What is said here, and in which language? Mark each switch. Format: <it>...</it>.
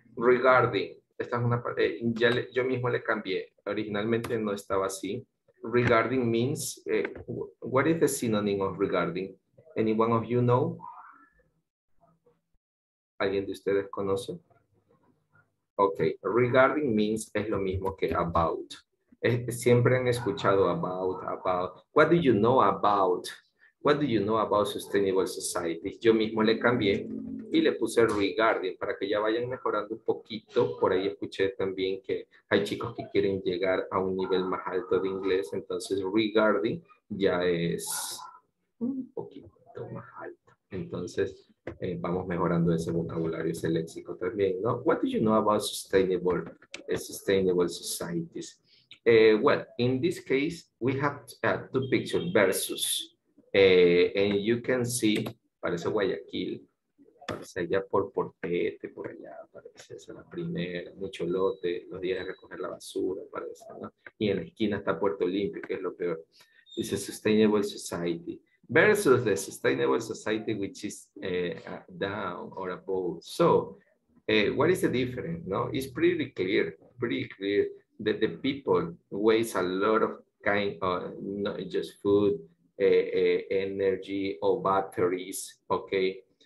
<es>Regarding, esta es una parte, yo mismo le cambié. Originalmente no estaba así.</es> <en>Regarding means, what is the synonym of regarding? Anyone of you know?</en> <es>¿Alguien de ustedes conoce? Okay, regarding means es lo mismo que about. Siempre han escuchado</es> <en>about. What do you know about? What do you know about sustainable societies?</en> <es>Yo mismo le cambié y le puse regarding para que ya vayan mejorando un poquito. Por ahí escuché también que hay chicos que quieren llegar a un nivel más alto de inglés. Entonces, regarding ya es un poquito más alto. Entonces, vamos mejorando ese vocabulario, ese léxico también, ¿no?</es> <en>What do you know about sustainable societies? Well, in this case, we have two pictures versus. And you can see,</en> <es>parece Guayaquil, parece allá por Portete, por allá, parece esa la primera, mucho lote, los días de recoger la basura, parece, ¿no? Y en la esquina está Puerto Olimpio, que es lo peor.</es> <en>Dice Sustainable Society versus the Sustainable Society, which is down or above. So, what is the difference, no? It's pretty clear that the people waste a lot of kind of, not just food, energy or batteries, okay?</en>